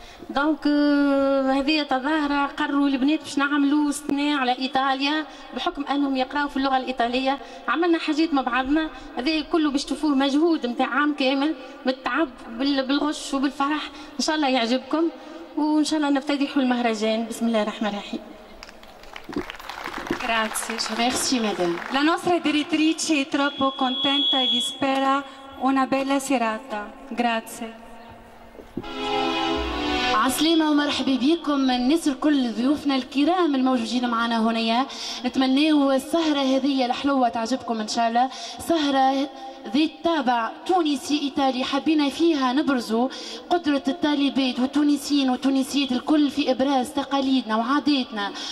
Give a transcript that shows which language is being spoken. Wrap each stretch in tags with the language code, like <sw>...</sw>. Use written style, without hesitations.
<ar>دونك هذه تظاهرة قرروا البنات باش نعملوا استثناء على ايطاليا بحكم انهم يقراوا في اللغه الايطاليه، عملنا حاجات مع بعضنا، هذا كله باش تشوفوه مجهود نتاع عام كامل بالتعب بالغش وبالفرح، ان شاء الله يعجبكم وان شاء الله نفتتح المهرجان بسم الله الرحمن الرحيم.</ar> <fr>Merci, madame.</fr> <it>La nostra direttrice è troppo contenta e vi spera una bella serata. Grazie.</it> <ar>عسلامة ومرحبا بكم الناس الكل ضيوفنا الكرام الموجودين معنا هنايا. نتمناو السهرة هذه الحلوة تعجبكم إن شاء الله، سهرة ذات طابع تونسي إيطالي، حبينا فيها نبرزوا قدرة الطالبات والتونسيين والتونسيات الكل في إبراز تقاليدنا وعاداتنا.</ar>